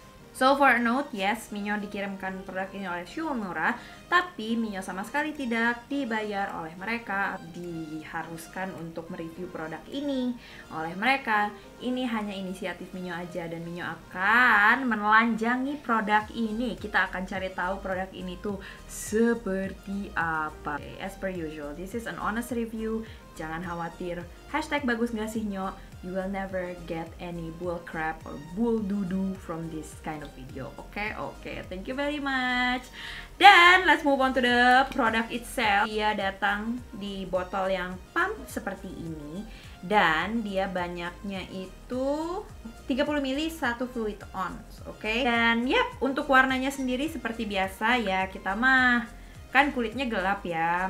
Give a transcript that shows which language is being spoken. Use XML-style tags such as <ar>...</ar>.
<en>So for a note, yes,</en> <id>Minyo dikirimkan produk ini oleh Shuemura, tapi Minyo sama sekali tidak dibayar oleh mereka, diharuskan untuk mereview produk ini oleh mereka. Ini hanya inisiatif Minyo aja dan Minyo akan menelanjangi produk ini. Kita akan cari tahu produk ini tuh seperti apa.</id> <en>Okay, as per usual, this is an honest review.</en> <id>Jangan khawatir, hashtag bagus gak sih nyok?</id> <en>You will never get any bull crap or bull doo-doo from this kind of video. Okay, okay, thank you very much. Then let's move on to the product itself.</en> <id>Dia datang di botol yang pump seperti ini. Dan dia banyaknya itu 30 ml satu fluid ounce. Okay, dan yep, untuk warnanya sendiri seperti biasa ya, kita mah kan kulitnya gelap ya.</id>